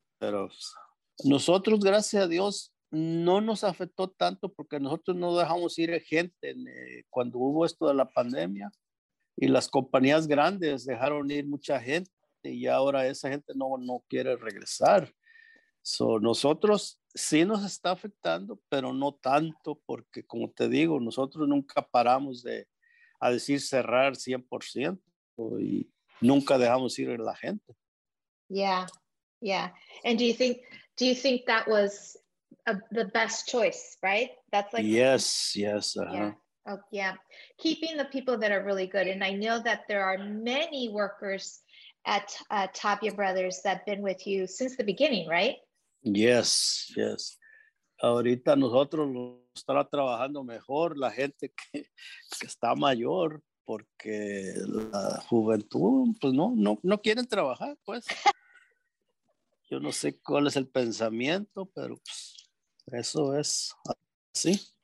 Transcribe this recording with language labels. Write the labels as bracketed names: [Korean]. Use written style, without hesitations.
[Spanish] Pero nosotros, gracias a Dios, no nos afectó tanto porque nosotros no dejamos ir gente cuando hubo esto de la pandemia y las compañías grandes dejaron ir mucha gente y ahora esa gente no quiere regresar. So, nosotros sí nos está afectando, pero no tanto porque, como te digo, nosotros nunca paramos a decir cerrar 100% y nunca dejamos ir a la gente. [English] Yeah. And do you think that was the best choice, right? That's like, yes. Uh-huh. Yeah. Oh, yeah. Keeping the people that are really good. And I know that there are many workers at Tapia Brothers that have been with you since the beginning, right? Yes. [Spanish] Ahorita nosotros estará trabajando mejor la gente que está mayor porque la juventud, pues no quieren trabajar, pues. Yo no sé cuál es el pensamiento, pero pues, eso es así.